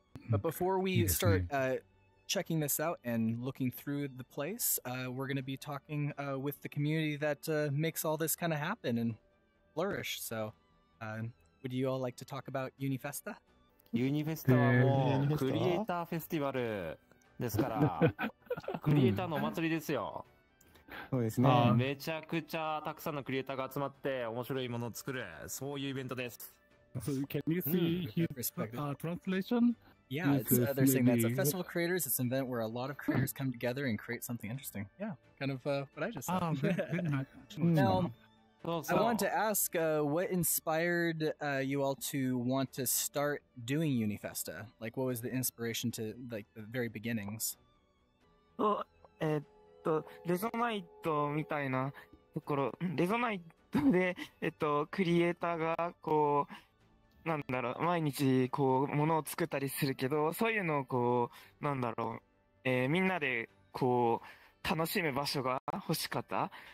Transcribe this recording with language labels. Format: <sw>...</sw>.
<en>But before we start checking this out and looking through the place, we're going to be talking with the community that makes all this kind of happen and flourish. So would you all like to talk about UniFesta? UniFesta is a creator festival.</en> <ja>クリエイターのお祭りですよ。そうですね。めちゃくちゃたくさんのクリエイターが集まって面白いものを作る、そういうイベントです。</ja> <en>So can you see his translation? Yeah, they're saying that's a festival of creators. It's an event where a lot of creators come together and create something interesting. Yeah, kind of what I just said. Now, I wanted to ask, what inspired you all to want to start doing UniFesta? Like, what was the inspiration to, like, the very beginnings?</en> <ja>レゾナイトみたいなところ、レゾナイトで、クリエイターがこう、なんだろう、毎日こう、ものを作ったりするけど、そういうのをこう、なんだろう、みんなでこう、楽しむ場所が欲しかった。</ja>